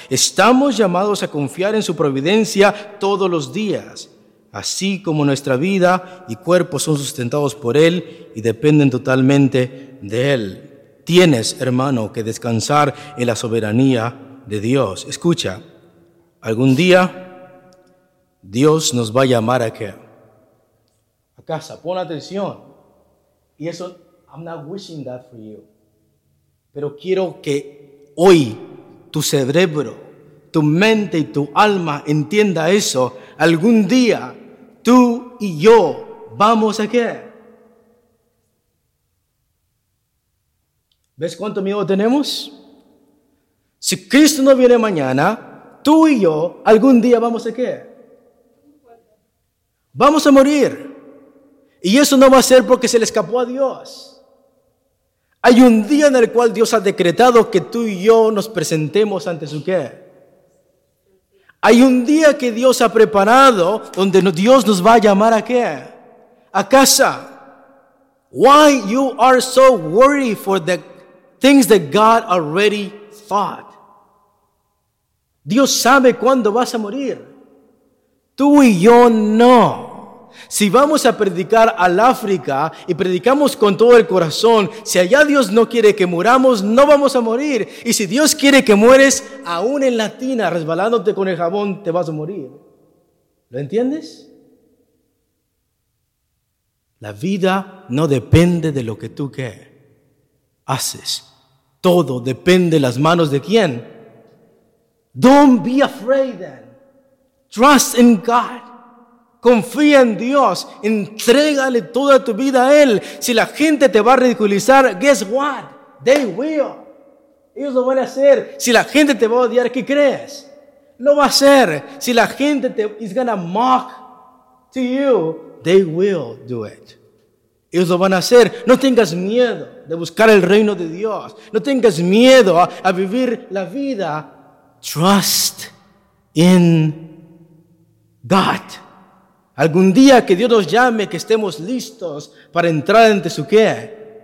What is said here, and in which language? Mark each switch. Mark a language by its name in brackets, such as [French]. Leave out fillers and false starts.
[Spanish] Estamos llamados a confiar en su providencia todos los días, así como nuestra vida y cuerpo son sustentados por Él y dependen totalmente de Él. Tienes, hermano, que descansar en la soberanía de Dios. Escucha. Algún día, Dios nos va a llamar a qué? A casa, pon atención. Y eso, [English] I'm not wishing that for you. [Spanish] Pero quiero que hoy tu cerebro, tu mente y tu alma entienda eso. Algún día, tú y yo vamos a qué? ¿Ves cuánto miedo tenemos? Si Cristo no viene mañana, tú y yo algún día vamos a ¿qué? Vamos a morir. Y eso no va a ser porque se le escapó a Dios. Hay un día en el cual Dios ha decretado que tú y yo nos presentemos ante su ¿qué? Hay un día que Dios ha preparado donde Dios nos va a llamar ¿a qué? A casa. [English] Why you are so worried for the things that God already thought? [Spanish] Dios sabe cuándo vas a morir. Tú y yo no. Si vamos a predicar al África y predicamos con todo el corazón, si allá Dios no quiere que muramos, no vamos a morir. Y si Dios quiere que mueres, aún en la tina, resbalándote con el jabón, te vas a morir. ¿Lo entiendes? La vida no depende de lo que tú qué haces. Todo depende de las manos de quién. [English] Don't be afraid then. Trust in God. [Spanish] Confía en Dios. Entrégale toda tu vida a Él. Si la gente te va a ridiculizar, [English] guess what? They will. [Spanish] Ellos lo van a hacer. Si la gente te va a odiar, ¿qué crees? Lo va a hacer. Si la gente te is gonna mock to you, they will do it. Ellos lo van a hacer. No tengas miedo de buscar el reino de Dios. No tengas miedo a vivir la vida. [English] Trust in God. [Spanish] Algún día que Dios nos llame, que estemos listos para entrar ante su ¿qué?